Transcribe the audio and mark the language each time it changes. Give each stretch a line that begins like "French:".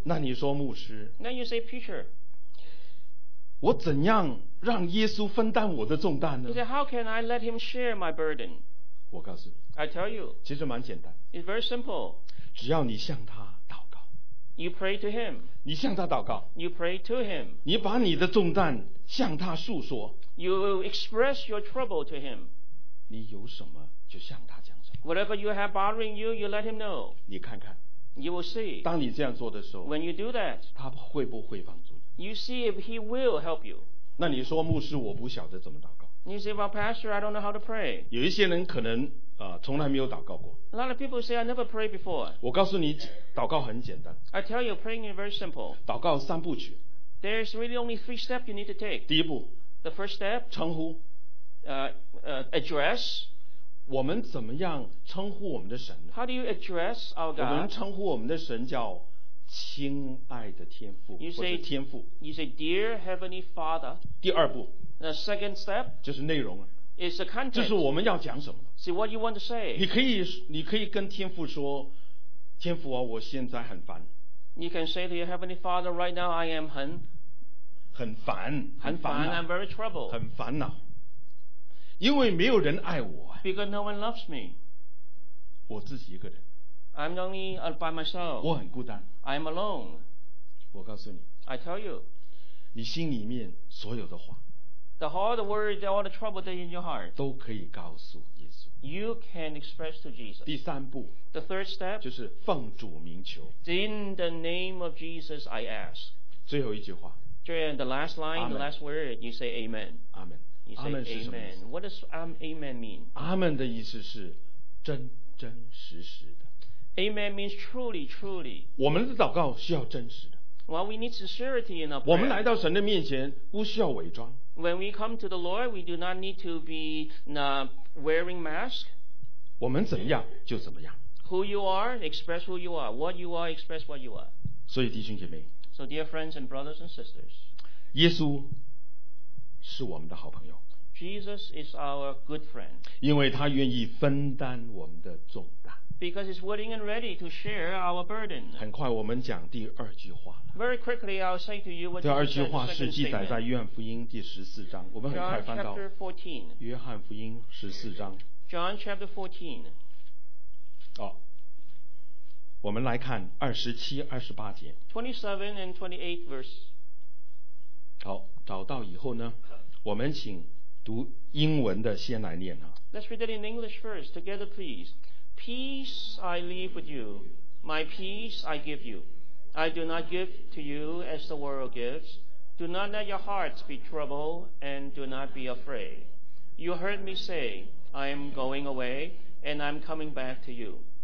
Chinese: 那你说牧师，
English: Then you say, preacher,
Chinese: 我怎样让耶稣分担我的重担呢？
English: You say, how can I let him share my burden?
Chinese: 我告诉你，
English: I tell you,
Chinese: 其实蛮简单。
English: It's very simple.
Chinese: 只要你向他祷告。
English: You pray to him.
Chinese: 你向他祷告，
English: you pray to him.
Chinese: 你把你的重担向他诉说，
English: you express your trouble to him.
Chinese: 你有什么就向他讲什么，
English: whatever you have bothering you, you let him know.
Chinese: 你看看，
English: you will see.
Chinese: 当你这样做的时候，
English: when you do that,
Chinese: 他会不会帮助你？
English: You see if he will help you.
Chinese: 那你说牧师我不晓得怎么祷告，
English: you say, well, pastor, I don't know how to pray.
Chinese: 有一些人可能从来没有祷告过。
English: A lot of people say I never prayed before.
Chinese: 我告诉你祷告很简单。
English: I tell you praying is very simple.
Chinese: 祷告三步曲。
English: There's really only three steps you need to take.
Chinese: 第一步，
English: The first step,
Chinese: 称呼。
English: Address,
Chinese: 我们怎么样称呼我们的神呢？
English: How do you address our God?
Chinese: 我们称呼我们的神叫亲爱的天父，
English: you say,
Chinese: 或者天父。
English: You say dear heavenly father.
Chinese: 第二步，
English: The second step,
Chinese: 就是内容了。
English: It's a content.
Chinese: 就是我们要讲什么。
English: See what you want to say.
Chinese: 你可以跟天父说，天父啊，我现在很烦。
English: You can say to your heavenly father, right now I am
Chinese: 很烦
English: I'm very troubled.
Chinese: 很烦恼，因为没有人爱我。
English: Because no one loves me.
Chinese: 我自己一个人。
English: I'm only by myself.
Chinese: 我很孤单。
English: I'm alone.
Chinese: 我告诉你，
English: I tell you.
Chinese: 你心里面所有的话，
English: all the worries, all the trouble that in your heart,
Chinese: 都可以告诉耶稣。
English: You can express to Jesus.
Chinese: 第三步，
English: The third step,
Chinese: 就是奉主名求。
English: In the name of Jesus I ask.
Chinese: 最后一句话，
English: The last line, Amen. The last word, you say Amen. Amen. You say Amen. Amen. What does Amen mean?
Chinese: Amen 的意思是真真实实的。
English: Amen means truly, truly.
Chinese: 我们的祷告需要真实的。
English: Well, we need sincerity in our prayer.
Chinese: 我们来到神的面前不需要伪装。
English: When we come to the Lord, we do not need to be wearing masks.
Chinese: 我们怎么样就怎么样。
English: Who you are, express who you are. What you are, express what you are.
Chinese: 所以弟兄姐妹，
English: So dear friends and brothers and sisters,
Chinese: 耶稣是我们的好朋友。
English: Jesus is our good friend.
Chinese: 因为他愿意分担我们的重担。
English: Because he's willing and ready to share our burden.
Chinese: 很快我们讲第二句话。
English: Very quickly, I'll say to you what the second statement.
Chinese: 是记载在约翰福音第十四章。我们很快翻到约翰福音十四章。
English: John chapter 14.
Chinese: 我们来看二十七、二十八节。
English: 27 and 28 verse.
Chinese: 好，找到以后呢，我们请读英文的先来念啊。
English: Let's read it in English first, together, please. Peace I leave with you, my peace I give you. I do not give to you as the world gives. Do not let your hearts be troubled, and do not be afraid. You heard me say, I am going away, and I am coming back to you.